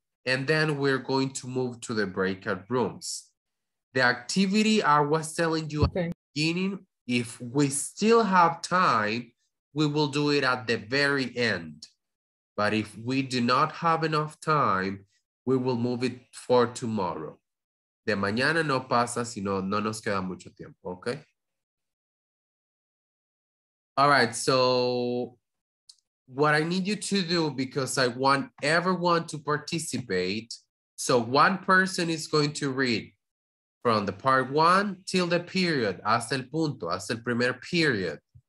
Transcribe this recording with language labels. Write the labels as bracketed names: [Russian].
[English] And then we're going to move to the breakout rooms. The activity I was telling you at the beginning, if we still have time, we will do it at the very end. But if we do not have enough time, we will move it for tomorrow. [Spanish] De mañana no pasa, sino no nos queda mucho tiempo, okay? [English] All right, so what I need you to do, because I want everyone to participate. So one person is going to read from the part one till the period, [Spanish] hasta el punto, hasta el primer [English] period.